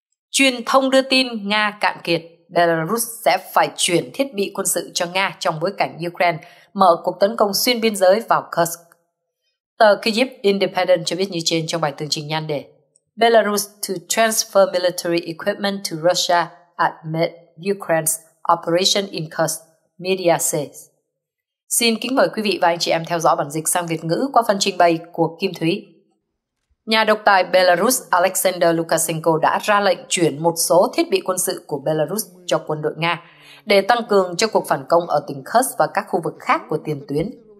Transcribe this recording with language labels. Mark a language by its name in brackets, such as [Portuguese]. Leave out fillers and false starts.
[Vietnamese] Truyền thông đưa tin Nga cạn kiệt, Belarus sẽ phải chuyển thiết bị quân sự cho Nga trong bối cảnh Ukraine mở cuộc tấn công xuyên biên giới vào Kursk. Tờ Kyiv Independent cho biết như trên trong bài tường trình nhan đề. [English] Belarus to transfer military equipment to Russia amid Ukraine's operation in Kursk, media says. [Vietnamese] Xin kính mời quý vị và anh chị em theo dõi bản dịch sang Việt ngữ qua phần trình bày của Kim Thúy. Nhà độc tài Belarus Alexander Lukashenko đã ra lệnh chuyển một số thiết bị quân sự của Belarus cho quân đội Nga để tăng cường cho cuộc phản công ở tỉnh Kursk và các khu vực khác của tiền tuyến.